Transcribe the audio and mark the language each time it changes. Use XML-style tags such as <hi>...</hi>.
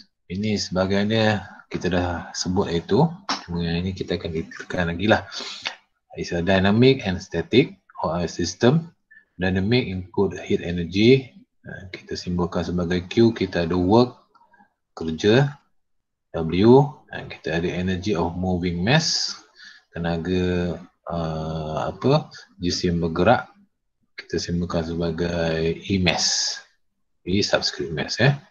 <ms>Ini sebagainya kita dah sebut itu. Cuma yang ini kita akan detailkan lagi lah.</ms> <en>It's a dynamic and static or a system. Dynamic include heat energy.</en> <ms>Kita simbolkan sebagai Q. Kita ada work, kerja, W. Dan kita ada</ms> <en>energy of moving mass,</en> <ms>tenaga apa jisim bergerak. Kita simbolkan sebagai E mass, E subscript mass, eh.</ms>